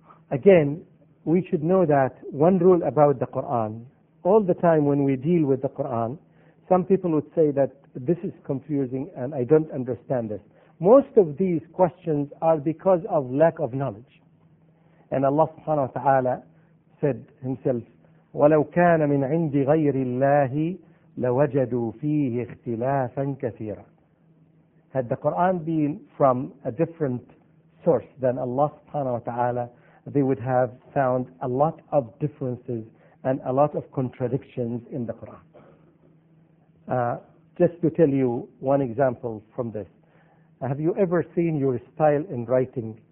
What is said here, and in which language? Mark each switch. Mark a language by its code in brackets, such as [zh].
[en] Again, we should know that one rule about the Quran. All the time when we deal with the Quran, some people would say that this is confusing and I don't understand this. Most of these questions are because of lack of knowledge. And Allah subhanahu wa ta'ala said himself, [ar] وَلَوْ كَانَ مِنْ عِنْدِ غَيْرِ اللَّهِ لَوَجَدُوا فِيهِ اخْتِلَافًا كَثِيرًا. [en] Had the Quran been from a different source than Allah subhanahu wa ta'ala, they would have found a lot of differences and a lot of contradictions in the Quran. Just to tell you one example from this. Have you ever seen your style in writing?